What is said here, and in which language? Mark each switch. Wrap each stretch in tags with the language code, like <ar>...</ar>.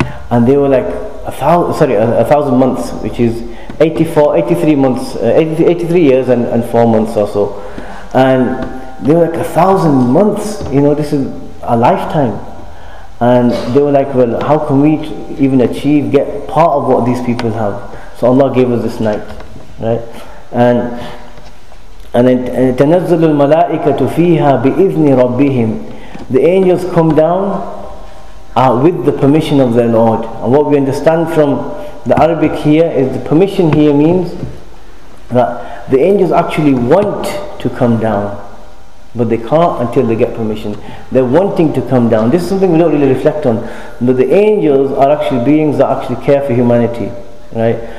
<en>and they were like a thousand months, which is 83 years and 4 months or so. And they were like 1,000 months, you know, this is a lifetime. And they were like, well, how can we even achieve, get part of what these people have? So Allah gave us this night, right? And then</en> <ar>تَنَزَّلُ الْمَلَائِكَةُ فِيهَا بِإِذْنِ رَبِّهِمْ.</ar> <en>The angels come down with the permission of their Lord. And what we understand from the Arabic here is the permission here means that the angels actually want to come down, but they can't until they get permission. They're wanting to come down. This is something we don't really reflect on. But the angels are actually beings that actually care for humanity, right?</en>